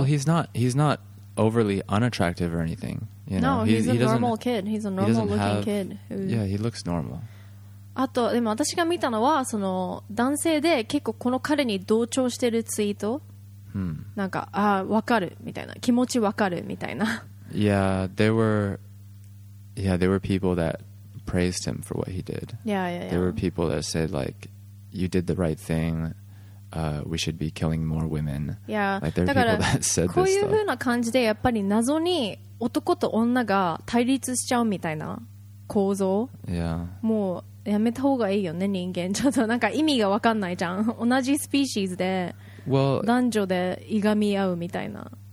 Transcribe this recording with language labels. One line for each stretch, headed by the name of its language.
English: Well, he's not overly unattractive or anything. You know? No, he's a normal kid. He's a normal looking kid. Yeah, he looks normal.
Japanese: あとでも私が見たのはその男性で結構この彼に同調してるツイート。なんかあ分かるみたいな気持ち分かるみたいな。
English: Yeah, there were people that praised him for what he did. Yeah. There were people that said like, "You did the right thing. We should be killing more women." Yeah. Like there were people that said this stuff.
Japanese: こういうふうな感じでやっぱり謎に男と女が対立しちゃうみたいな構造。
English: Yeah.
Japanese: もうやめた方がいいよね人間。ちょっとなんか意味が分かんないじゃん。同じスピーシーズで男女でいがみ合うみたいな。